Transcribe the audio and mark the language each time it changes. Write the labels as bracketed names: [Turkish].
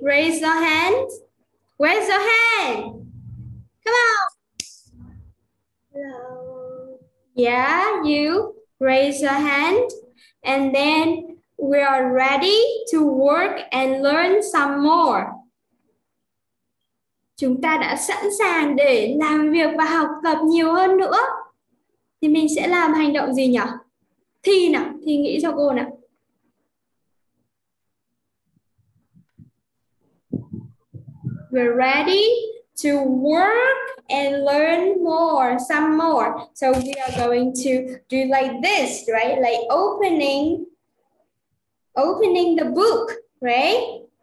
[English] Raise your hand. Raise your hand. Come on. Hello. Yeah, you raise your hand. And then we are ready to work and learn some more. [Vietnamese] Chúng ta đã sẵn sàng để làm việc và học tập nhiều hơn nữa. Thì mình sẽ làm hành động gì nhỉ? Thi nào, thì nghĩ cho cô nào. [English] We're ready to work and learn more, some more. So we are going to do like this, right? Like opening the book, right?